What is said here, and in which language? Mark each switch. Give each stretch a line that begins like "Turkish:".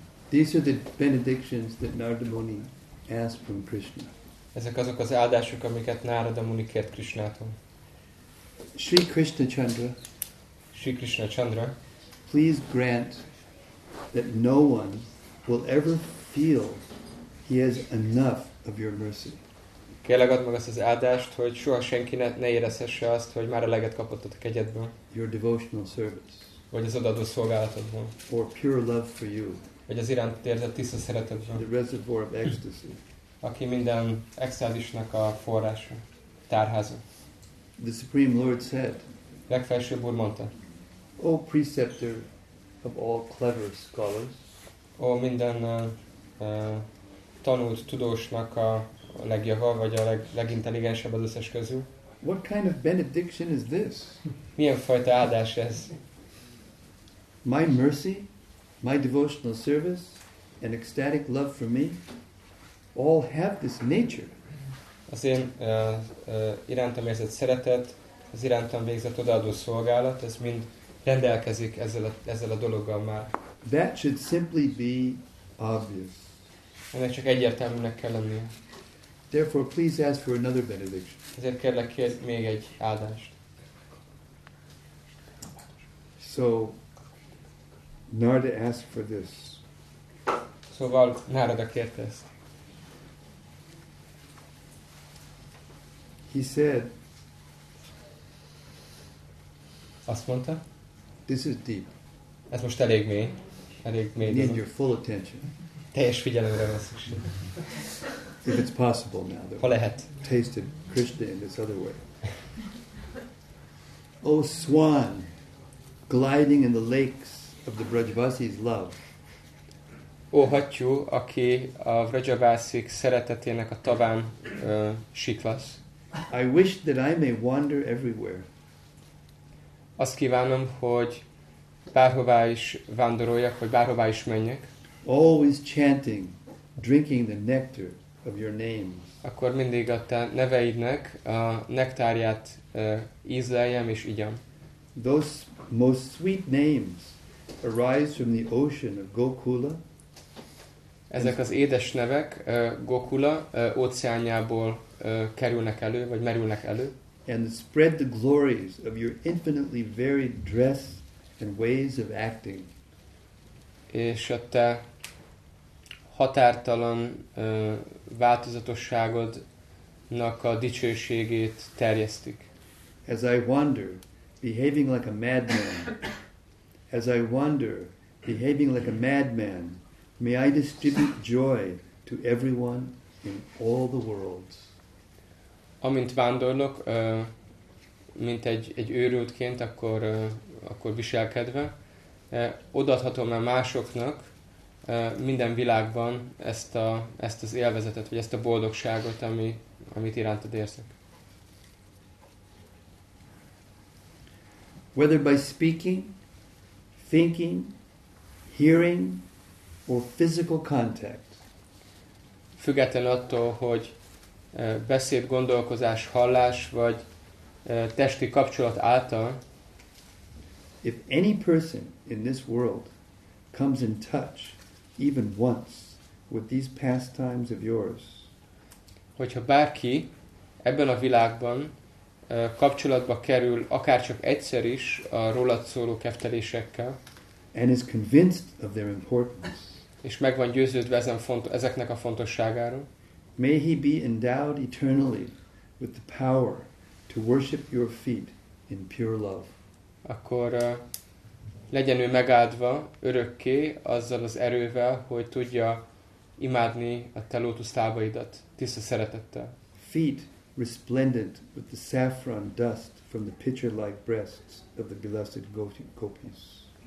English: These are the benedictions that Narada Muni asked from Krishna.
Hungarian: Ezek azok az áldások, amiket Narada Muni kért Krishnától. Shri Krishna Chandra. Shri Krishna Chandra.
English: Please grant that no one will ever feel he has enough of your mercy.
Hungarian: Kérlek, add meg azt az áldást, hogy soha senki ne érezhesse azt, hogy már eleget kapott a kegyedből.
English: Your devotional service.
Hungarian: Vagy az odaadó szolgálatodból.
English: Or pure love for you.
Hungarian: Vagy az iránt érzett tiszta szeretetben.
English: The reservoir of ecstasy.
Hungarian: Aki minden extázisnak a forrása, tárháza.
English: The Supreme Lord said.
Hungarian: Legfelsőbb úr mondta.
English: O preceptor of all clever scholars.
Hungarian: O minden tanult tudósnak a legjava, vagy a legintelligensebb az összes közül.
English: What kind of benediction is this?
Hungarian: Milyen fajta áldás ez?
English: My mercy, my devotional service, and ecstatic love for me, all have this nature.
Hungarian: Az én irántam érzett szeretet, az irántam végzett odaadó szolgálat, ez mind rendelkezik ezzel a dologgal már.
English: That should simply be obvious.
Hungarian: Ennek csak egyértelműnek kell lennie.
English: Therefore, please ask for another benediction.
Hungarian: Ezért kérlek, kérd még egy áldást.
English: So, Narada asked for this.
Hungarian: Szóval Narada kérte ezt.
English: He said,
Hungarian: Azt mondta?
English: This is deep.
Hungarian: Ez most elég mély. Elég mély.
English: You need your full attention.
Hungarian: Teljes figyelemre van szükség.
English: If it's possible now,
Hungarian: ha lehet.
English: Tasted Krishna in this other way. O swan, gliding in the lakes of the Vrajavasi's love.
Hungarian: O hattyú, aki a Vrajavasik szeretetének a taván siklasz.
English: I wish that I may wander everywhere.
Hungarian: Azt kívánom, hogy bárhová is vándoroljak, vagy bárhová is menjek.
English: Always chanting, drinking the nectar of your name.
Hungarian: Akkor mindig a te neveidnek a nektárját ízleljem és igyam.
English: Those most sweet names arise from the ocean of Gokula.
Hungarian: Ezek az édes nevek Gokula óceánjából kerülnek elő, vagy merülnek elő.
English: And spread the glories of your infinitely varied dress and ways of acting.
Hungarian: És a te határtalan változatosságodnak a dicsőségét terjesztik.
English: As I wander, behaving like a madman, as I wander, behaving like a madman, may I distribute joy to everyone in all the worlds.
Hungarian: Amint vándorlok, mint egy őrültként, akkor viselkedve, odaadhatom-e másoknak minden világban ezt az élvezetet, vagy ezt a boldogságot, amit irántad érzek.
English: Whether by speaking, thinking, hearing, or physical contact.
Hungarian: Független attól, hogy beszéd, gondolkozás, hallás, vagy testi kapcsolat által.
English: If any person in this world comes in touch even once with these pastimes of yours.
Hungarian: Hogyha bárki ebben a világban kapcsolatba kerül akárcsak egyszer is a rólad szóló keftelésekkel,
English: and is convinced of their importance,
Hungarian: és meg van győződve ezeknek a fontosságáról,
English: may he be endowed eternally with the power to worship your feet in pure love.
Hungarian: Akkor legyen ő megáldva örökké azzal az erővel, hogy tudja imádni a te lótuszlábaidat tiszta szeretettel.
English: Feet resplendent with the saffron dust from the pitcher-like breasts of the blessed gopis.